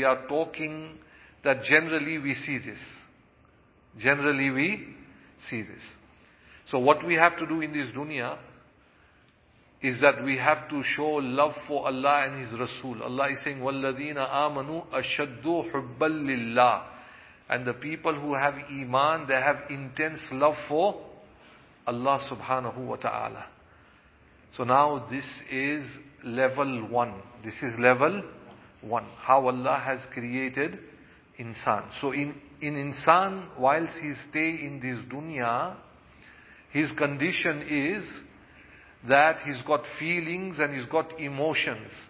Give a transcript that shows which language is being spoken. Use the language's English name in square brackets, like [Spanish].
[English] We are talking that generally we see this. Generally we see this. So what we have to do in this dunya is that we have to show love for Allah and His Rasul. Allah is saying, [Arabic] وَالَّذِينَ آمَنُوا أَشَدُّوا حُبَّا لِلَّهِ. [English] And the people who have iman, they have intense love for Allah subhanahu wa ta'ala. So now this is level one. This is level one. How Allah has created insan. So in insan, whilst he stay in this dunya, his condition is that he's got feelings and he's got emotions.